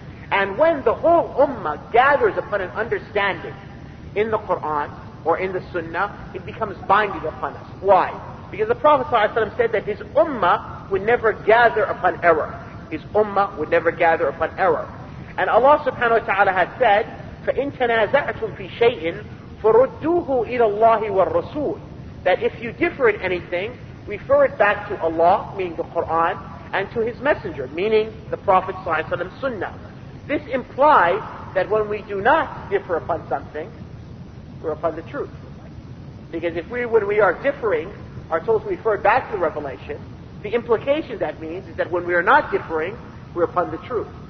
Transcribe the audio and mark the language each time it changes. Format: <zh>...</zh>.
<en>And when the whole Ummah gathers upon an understanding in the Qur'an or in the Sunnah, it becomes binding upon us. Why? Because the Prophet ﷺ said that his Ummah would never gather upon error. His Ummah would never gather upon error. And Allah subhanahu wa ta'ala has said,</en> <ar>فَإِن تَنَازَعْتُمْ فِي شَيْءٍ فَرُدُّوهُ إِلَى اللَّهِ وَالرَّسُولِ.</ar> <en>That if you differ in anything, refer it back to Allah, meaning the Qur'an, and to His Messenger, meaning the Prophet ﷺ's Sunnah. This implies that when we do not differ upon something, we're upon the truth. Because if we, when we are differing, are told to refer back to the revelation, the implication that means is that when we are not differing, we're upon the truth.</en>